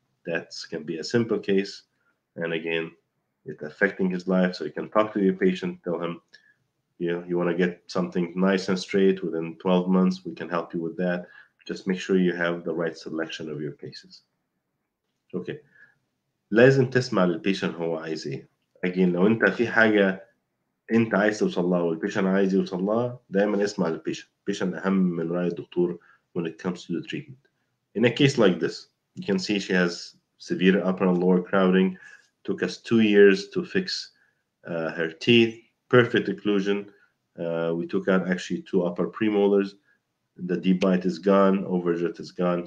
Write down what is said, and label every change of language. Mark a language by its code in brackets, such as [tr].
[en] That can be a simple case. And again, it's affecting his life, so you can talk to your patient, tell him, you want to get something nice and straight within 12 months, we can help you with that. Just make sure you have the right selection of your cases. Okay. [ar] لازم تسمع للبيشن هو عايز ايه. Again, لو انت في حاجة انت عايز توصل لها والبيشن عايز يوصل لها, دائما اسمع للبيشن. البيشن اهم من رأي الدكتور [en] when it comes to the treatment. In a case like this, you can see she has severe upper and lower crowding. Took us 2 years to fix her teeth, perfect occlusion. We took out actually two upper premolars. The deep bite is gone, overjet is gone.